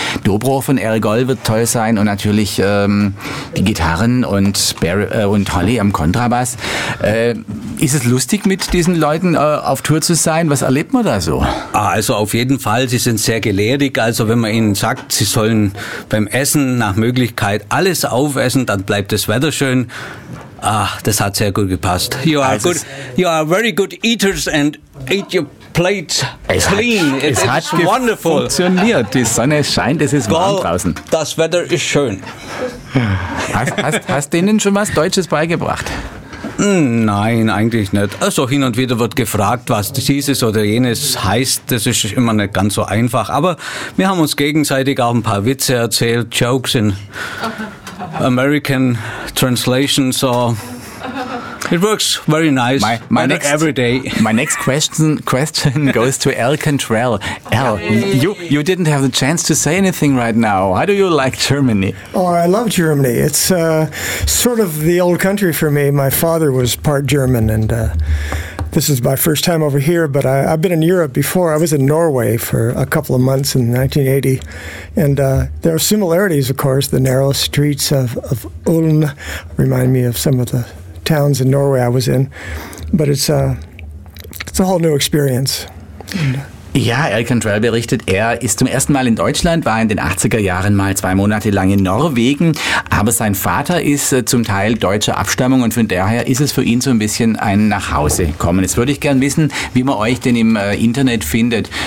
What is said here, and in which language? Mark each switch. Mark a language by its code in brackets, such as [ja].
[de] Dobro von Erigol wird toll sein und natürlich die Gitarren und Barry und Holly am Kontrabass. Ist es lustig, mit diesen Leuten auf Tour zu sein? Was erlebt man da so? Also auf jeden Fall, sie sind sehr gelehrig. Also wenn man ihnen sagt, sie sollen beim Essen nach Möglichkeit alles aufessen, dann bleibt das Wetter schön. Ah, das hat sehr gut gepasst. [en] You are very good eaters and eat your plate clean. It's wonderful. [de] Es hat funktioniert. Die Sonne scheint, es ist warm draußen. Das Wetter ist schön. Hast du denen schon was Deutsches beigebracht? Nein, eigentlich nicht. Also hin und wieder wird gefragt, was dieses oder jenes heißt. Das ist immer nicht ganz so einfach. Aber wir haben uns gegenseitig auch ein paar Witze erzählt, [en] Jokes in American translation, so it works very nice. My next question goes to Al Cantrell. Al, you didn't have the chance to say anything right now. How do you like Germany? Oh, I love Germany. It's sort of the old country for me. My father was part German, and this is my first time over here, but I've been in Europe before. I was in Norway for a couple of months in 1980. And there are similarities, of course. The narrow streets of Ulm remind me of some of the towns in Norway I was in. But it's a whole new experience. [de] And, ja, Al Cantrell berichtet, er ist zum ersten Mal in Deutschland, war in den 80er Jahren mal 2 Monate lang in Norwegen, aber sein Vater ist zum Teil deutscher Abstammung und von daher ist es für ihn so ein bisschen ein Nachhausekommen. Jetzt würde ich gern wissen, wie man euch denn im Internet findet.